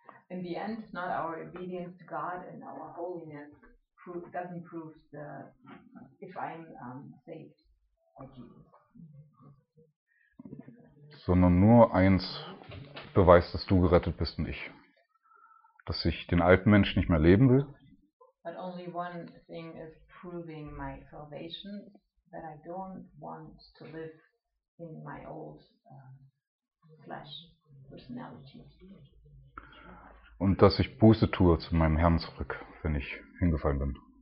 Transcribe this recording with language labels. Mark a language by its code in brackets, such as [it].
[en] In the end, not our obedience to God and our holiness doesn't prove the if I'm saved by Jesus. [de] Sondern nur eins beweist, dass du gerettet bist und ich, dass ich den alten Menschen nicht mehr leben will. [en] But only one thing is proving my salvation, that I don't want to live in my old flesh personality. [de] Und dass ich Buße tue zu meinem Herrn zurück, wenn ich hingefallen bin.